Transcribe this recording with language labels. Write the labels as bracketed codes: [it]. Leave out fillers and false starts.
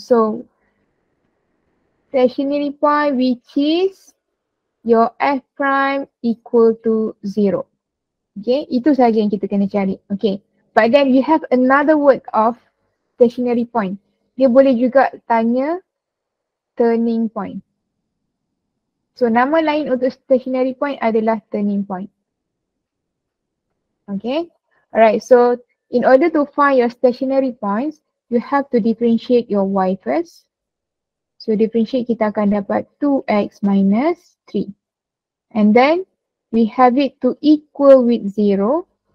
[en] So stationary point which is your f prime equal to 0. [ms] Okay, itu sahaja yang kita kena cari. [en] Okay, but then you have another word of stationary point. [ms] Dia boleh juga tanya turning point. So nama lain untuk stationary point adalah turning point. [en] Okay. Alright. So in order to find your stationary points, you have to differentiate your y first. [ms] So differentiate kita akan dapat 2x minus 3. [en] And then we have it to equal with 0.